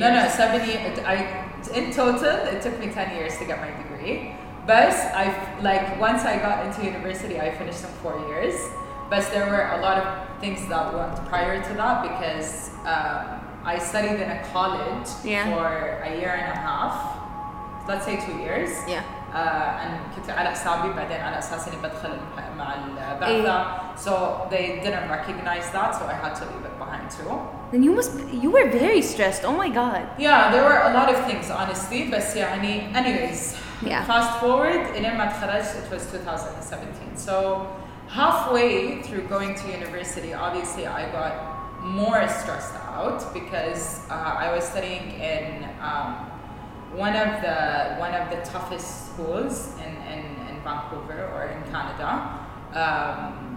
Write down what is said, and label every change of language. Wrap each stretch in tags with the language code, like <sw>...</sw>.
<en>No, 7 years. In total, it took me 10 years to get my degree. But I, like, once I got into university, I finished in 4 years. But there were a lot of things that went prior to that, because I studied in a college for a year and a half. Let's say 2 years. Yeah. And</en> <ar>كنت على حسابي بعدين على أساس إني بدخل مع البعثة.</ar> <en>So they didn't recognize that, so I had to leave it behind too. Then you were very stressed. Oh my god. Yeah, there were a lot of things, honestly. But</en> <ar>يعني,</ar> <en>anyways, fast forward,</en> <ar>إلى ما تخرجت,</ar> <en>it was 2017. So halfway through going to university, obviously I got more stressed out, because I was studying in one of the toughest schools in Vancouver or in Canada.</en>